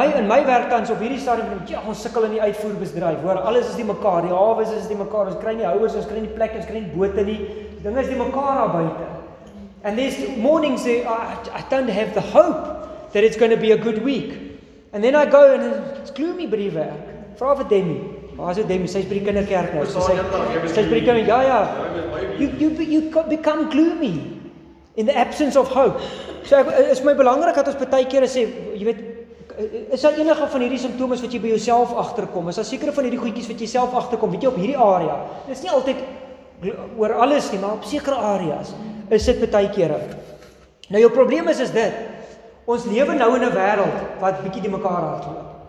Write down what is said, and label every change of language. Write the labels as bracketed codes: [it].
[af] My werk tans op hierdie stadium, ons sikkel in die uitvoerbedryf, hoor, alles is die mekaar, die hawe is die mekaar, ons kry nie houers, ons kry nie plek, ons kry nie bote nie, die ding is die mekaar daar buiten. [en] And there's mornings, I don't have the hope that it's going to be a good week. And then I go and it's gloomy [af] by die werk. Vra vir Demi. Waar is dit Demi? Sy is by die kinderkerk nou. Sy is by die kinderkerk, ja. [en] You become gloomy in the absence of hope. [af] So is my belangrik dat ons baie keer sê, jy weet, is daar enige van hierdie simptomes wat jy by jouself agterkom? Is daar sekere van hierdie goedjies wat jy self agterkom? Weet jy op hierdie area? Dit is nie altyd oor alles nie, maar op sekere areas is dit baie kere. Nou jou probleem is dit. Ons lewe nou in 'n wêreld wat bietjie die mekaar hardloop.